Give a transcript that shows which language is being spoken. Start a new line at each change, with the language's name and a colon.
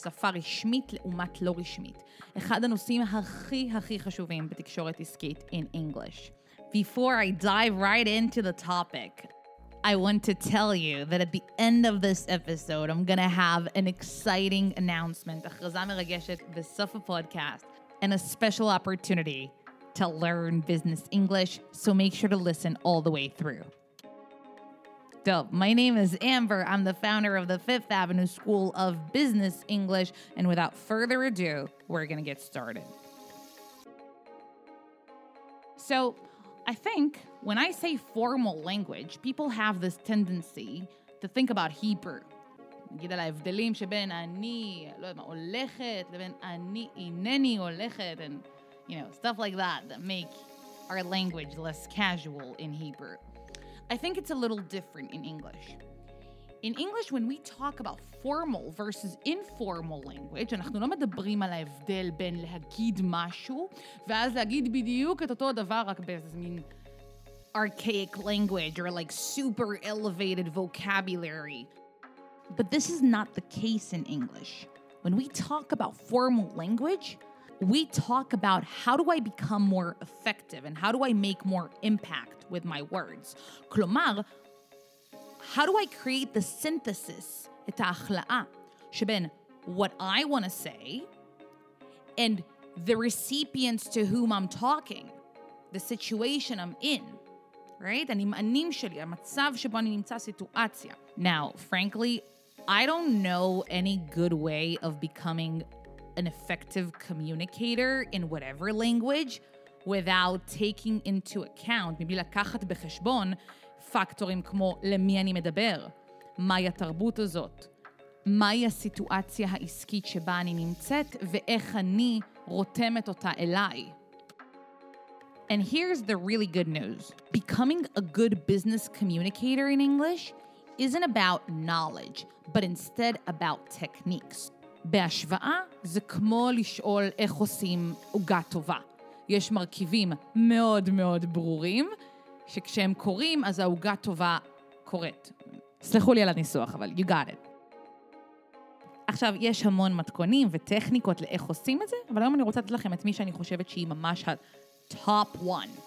Hebrew: שפה רשמית לעומת לא רשמית. אחד הנושאים הכי הכי חשובים בתקשורת עסקית
English: in English. Before I dive right into the topic, I want to tell you that at the end of this episode, I'm going to have an exciting announcement,
Hebrew: הכרזה מרגשת בסוף הפודקאסט,
English: and a special opportunity to learn business English, so make sure to listen all the way through. Dope. My name is Amber. I'm the founder of the Fifth Avenue School of Business English, and without further ado, we're going to get started. So, I think when I say formal language, people have this tendency to think about Hebrew.
Hebrew: נגיד על ההבדלים שבין אני, לא יודע מה, הולכת, לבין אני, אינני הולכת,
English: and, you know, stuff like that that make our language less casual in Hebrew. I think it's a little different in English. In English, when we talk about formal versus informal language,
Hebrew: אנחנו לא מדברים על ההבדל בין להגיד משהו, ואז להגיד בדיוק את אותו הדבר, רק באיזה מין
English: archaic language or like super elevated vocabulary. But this is not the case in English. When we talk about formal language, we talk about how do I become more effective and how do I make more impact with my words.
Hebrew: כלומר,
English: how do I create the synthesis,
Hebrew: את ההכלאה, שבין
English: what I want to say and the recipients to whom I'm talking, the situation I'm in, right?
Hebrew: הנמענים שלי, המצב שבו אני נמצא, סיטואציה.
English: Now, frankly, I don't know any good way of becoming an effective communicator in whatever language without taking into account,
Hebrew: מבלי לקחת בחשבון, פקטורים כמו למי אני מדבר, מהי התרבות הזאת, מהי הסיטואציה העסקית שבה אני נמצאת, ואיך אני רותמת אותה אליי.
English: And here's the really good news. Becoming a good business communicator in English isn't about knowledge, but instead about techniques.
Hebrew: בהשוואה, זה כמו לשאול איך עושים עוגה טובה. יש מרכיבים מאוד מאוד ברורים, שכשהם קורים, אז העוגה טובה קורית. סלחו לי על הניסוח, אבל
English: you got it.
Hebrew: עכשיו, יש המון מתכונים וטכניקות לאיך עושים את זה, אבל היום אני רוצה לתת לכם את מי שאני חושבת שהיא ממש
English: top one.